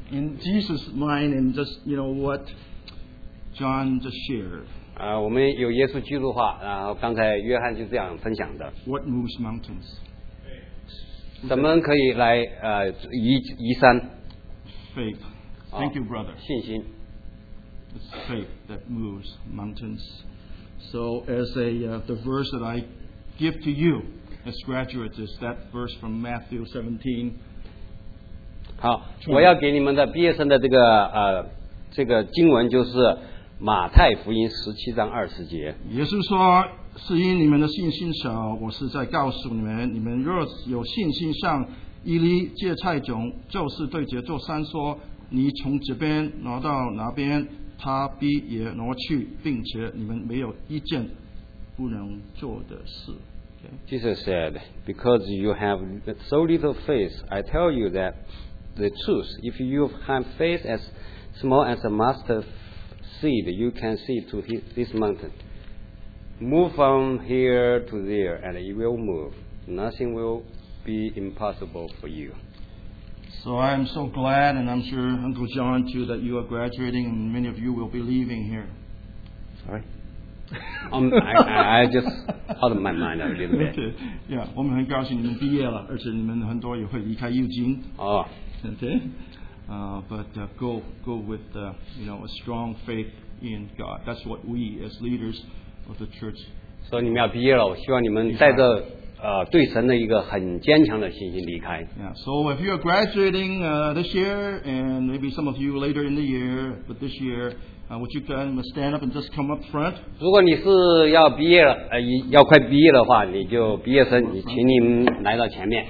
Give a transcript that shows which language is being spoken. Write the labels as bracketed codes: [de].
[en] In Jesus' mind, and just you know what John just shared. [zh] 我们有耶稣基督的话，然后刚才约翰就这样分享的。 [en] What moves mountains? [zh] 怎么可以来移山 [en] ？Faith. Thank you, brother. [zh] 信心。 [en] It's faith that moves mountains. So as the verse that I give to you. As graduates, is that verse from Matthew 17? [zh] 好，我要给你们的毕业生的这个这个经文就是马太福音17:20。耶稣说：“是因你们的信心少，我是在告诉你们，你们若有信心像一粒芥菜种，就是对这座山说：‘你从这边挪到那边’，他必也挪去，并且你们没有一件不能做的事。” [en] Jesus said, because you have so little faith, I tell you that the truth, if you have faith as small as a mustard seed, you can see to this mountain. Move from here to there, and it will move. Nothing will be impossible for you. So I'm so glad, and I'm sure Uncle John too, that you are graduating, and many of you will be leaving here. Sorry. I just out of my mind a little bit. Okay. Yeah, [zh] 我们很高兴你们毕业了，而且你们很多也会离开牛津。 [en] Okay. But go with you know a strong faith in God. That's what we as leaders of the church. So [zh] 你们要毕业了，我希望你们带着对神的一个很坚强的信心离开。 [en] Yeah. So if you are graduating this year, and maybe some of you later in the year, but this year. Would you kind of stand up and just come up front? [zh] 如果你是要毕业了，要快毕业的话，你就毕业生，你请你们来到前面。